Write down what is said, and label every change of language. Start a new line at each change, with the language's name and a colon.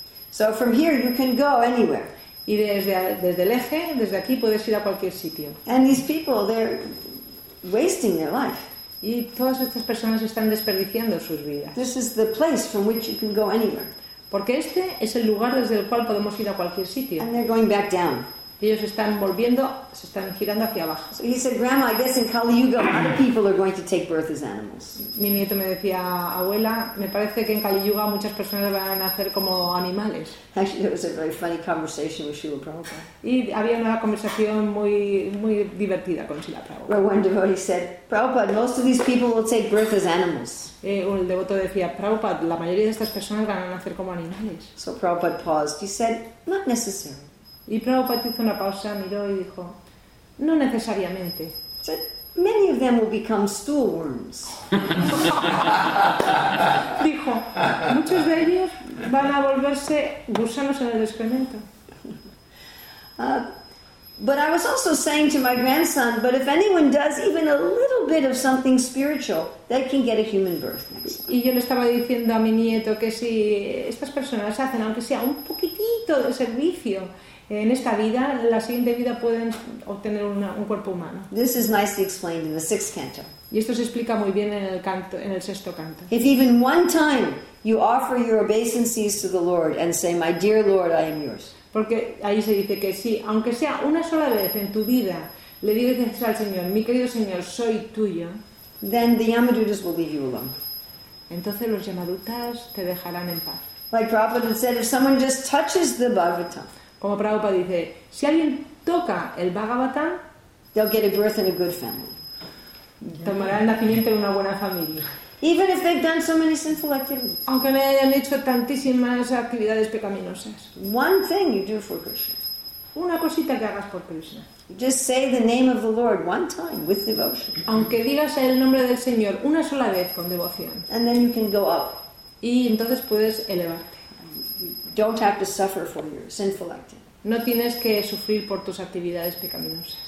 English: So from here you can go anywhere.
Spanish: Y desde el eje, desde aquí puedes ir a cualquier sitio.
English: And these people, they're wasting their life.
Spanish: Y todas estas personas están desperdiciando sus vidas.
English: This is the place from which you can go anywhere.
Spanish: Porque este es el lugar desde el cual podemos ir a cualquier sitio.
English: And they're going back down.
Spanish: Ellos están volviendo, se están girando hacia abajo.
English: So he said, Grandma, I guess in Kali Yuga, other people are going to take birth as animals.
Spanish: Mi nieto me decía, abuela, me parece que en Kali Yuga muchas personas van a nacer como animales.
English: Actually, it was a very funny conversation with Srila Prabhupada.
Spanish: Y había una conversación muy, muy divertida con Srila Prabhupada.
English: Where one devotee said, Prabhupada, most of these people will take birth as animals.
Spanish: Un devoto decía, Prabhupada, la mayoría de estas personas van a nacer como animales.
English: So Prabhupada paused. He said, not necessary.
Spanish: Y Prabhupada hizo una pausa, miró y dijo, no necesariamente.
English: So, many of them will become stool worms.
Spanish: Dijo, muchos de ellos van a volverse gusanos en el excremento.
English: But I was also saying to my grandson, but if anyone does even a little bit of something spiritual, they can get a human birth next time.
Spanish: Y yo le estaba diciendo a mi nieto que si estas personas hacen, aunque sea un poquitito de servicio, en esta vida, en la siguiente vida pueden obtener un cuerpo humano.
English: This is nicely explained in the sixth canto.
Spanish: Y esto se explica muy bien en el canto, en el sexto canto.
English: If even one time you offer your obeisances to the Lord and say, "My dear Lord, I am yours."
Spanish: Porque ahí se dice que sí, aunque sea una sola vez en tu vida, le dices al Señor, "Mi querido Señor, soy tuyo."
English: Then the Yamadutas will leave you alone.
Spanish: Entonces los Yamadutas te dejarán en paz.
English: Like Prabhupada said, if someone just touches the Bhagavatam.
Spanish: Como Prabhupada dice, si alguien toca el Bhagavatam,
English: they'll get a birth in a good family.
Spanish: Tomará el nacimiento en una buena familia.
English: Even if they've done so many sinful activities.
Spanish: Aunque no hayan hecho tantísimas actividades pecaminosas.
English: One thing you do for Krishna.
Spanish: Una cosita que hagas por Krishna.
English: Just say the name of the Lord one time with devotion.
Spanish: Aunque digas el nombre del Señor una sola vez con devoción.
English: And then you can go up.
Spanish: Y entonces puedes elevar.
English: Don't have to suffer for your sinful activity.
Spanish: No tienes que sufrir por tus actividades pecaminosas.